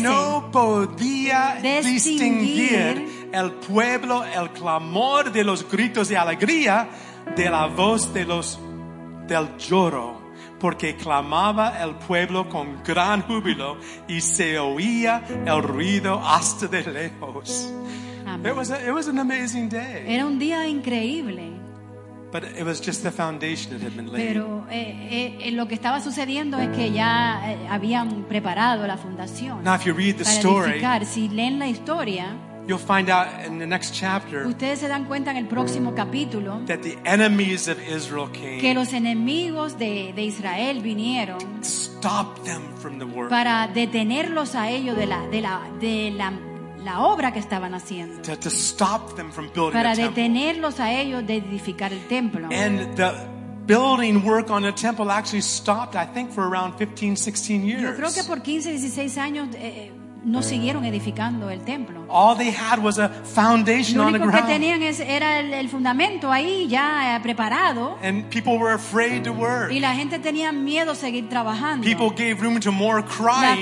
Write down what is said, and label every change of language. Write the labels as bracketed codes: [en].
[es] Y no podía distinguir el pueblo el clamor de los gritos de alegría de la voz de los del lloro. Porque clamaba el pueblo con gran júbilo y se oía el ruido hasta de lejos. Amén. [en] It was an amazing day. [es] Era un día increíble. [en] But it was just the foundation that had been laid. [es] Pero lo que estaba sucediendo es que ya habían preparado la fundación. [en] Now if you read the story, [es] si leen la historia, [en] you'll find out in the next chapter. [es] Ustedes se dan cuenta en el próximo capítulo [en] that the enemies of Israel came. [es] Que los enemigos de Israel vinieron. [en] Stop them from the work. [es] Para detenerlos a ellos de la obra que estaban haciendo. [en] To stop them from building [es] para [en] the temple. [es] Detenerlos a ellos de edificar el templo. [en] And the building work on the temple actually stopped, I think, for around 15-16 years. [es] Yo creo que por 15-16 años no siguieron edificando el templo. [en] All they had was a foundation [es] lo único [en] on the ground. [es] Que tenían era el fundamento ahí ya preparado. [en] And people were afraid to work. [es] Y la gente tenía miedo a seguir trabajando. [en] People gave room to more crying.